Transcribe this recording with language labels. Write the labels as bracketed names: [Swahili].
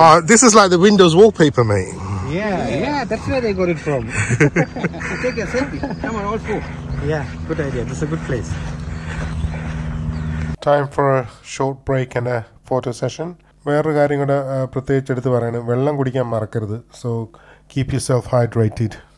[English] This is like the Windows wallpaper, mate. Yeah, that's where they got it from. Take a selfie. Come on, all four. Yeah, good idea. This is a good place. Time for a short break and a photo session. [Malayalam] വേറൊരു കാര്യം കൂടെ പ്രത്യേകിച്ച് എടുത്ത് പറയാണ്, വെള്ളം കുടിക്കാൻ മറക്കരുത്. [English] So keep yourself hydrated.